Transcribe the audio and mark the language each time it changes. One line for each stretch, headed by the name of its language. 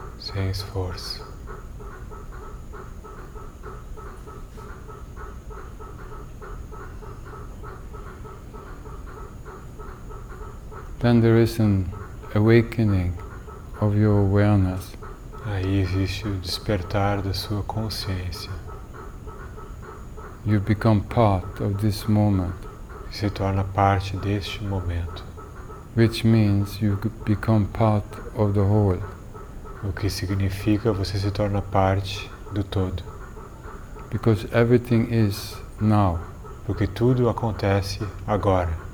Portuguese: Sem esforço.
English: Then there is an awakening of your awareness.
Portuguese: Aí existe o despertar da sua consciência.
English: You become part of this moment.
Portuguese: Se torna parte deste momento.
English: Which means you become part of the whole.
Portuguese: O que significa você se torna parte do todo.
English: Because everything is now.
Portuguese: Porque tudo acontece agora.